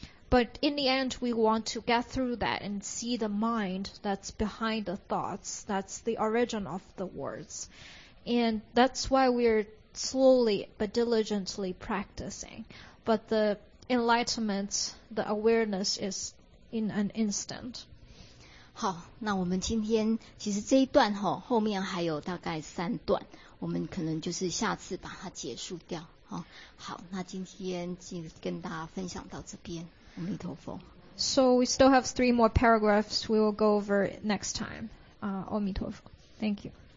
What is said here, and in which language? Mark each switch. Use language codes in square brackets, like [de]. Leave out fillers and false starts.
[en] But in the end, we want to get through that and see the mind that's behind the thoughts. That's the origin of the words. And that's why we're slowly but diligently practicing. But theEnlightenment, the awareness is in an instant. [zh] 好，那我们今天其实这一段吼，后面还有大概三段，我们可能就是下次把它结束掉。好，那今天就跟大家分享到这边，阿弥陀佛。 [en] So we still have three more paragraphs we will go over next time. 阿弥陀佛。Thank you.